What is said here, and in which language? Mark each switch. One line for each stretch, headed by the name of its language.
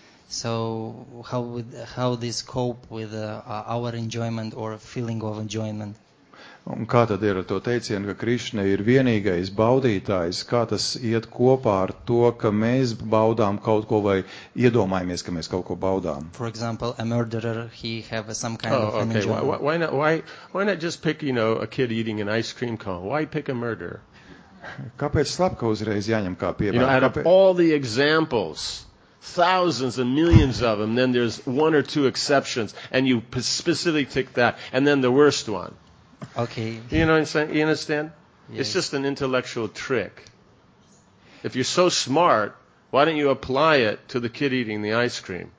English: So how this cope with our enjoyment or feeling of enjoyment?
Latvian: Un kā tad ir to teicienu, ka Krišna ir vienīgais baudītājs, kā tas iet kopā ar to, ka mēs baudām kaut ko vai iedomājamies, ka mēs kaut ko baudām?
English: For example, a murderer, he have some kind of enjoyment. Oh, okay, why not just pick, you know, a kid eating an ice cream cone? Why pick a murderer?
Latvian: Kāpēc slapka uzreiz jāņem kā piemēram?
English: You know, out of all the examples, thousands and millions of them, then there's one or two exceptions, and you specifically take that, and then the worst one. Okay. You know what I'm saying? You understand? Yes. It's just an intellectual trick. If you're so smart, why don't you apply it to the kid eating the ice cream?